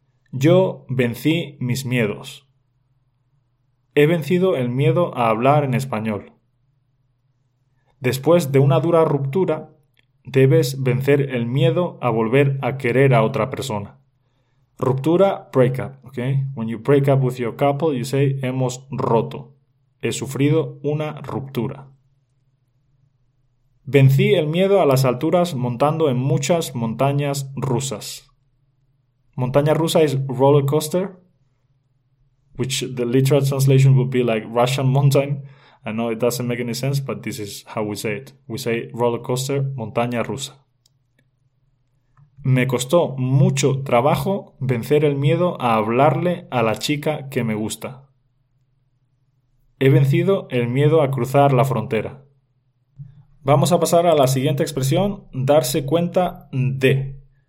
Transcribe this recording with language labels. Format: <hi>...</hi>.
<es>Yo vencí mis miedos. He vencido el miedo a hablar en español. Después de una dura ruptura, debes vencer el miedo a volver a querer a otra persona. Ruptura, breakup, ¿ok?</es> <en>When you break up with your couple, you say,</en> <es>hemos roto. He sufrido una ruptura. Vencí el miedo a las alturas montando en muchas montañas rusas. Montaña rusa</es> <en>is roller coaster, which the literal translation would be like Russian mountain. I know it doesn't make any sense, but this is how we say it. We say roller coaster,</en> <es>montaña rusa. Me costó mucho trabajo vencer el miedo a hablarle a la chica que me gusta. He vencido el miedo a cruzar la frontera. Vamos a pasar a la siguiente expresión, darse cuenta de.</es>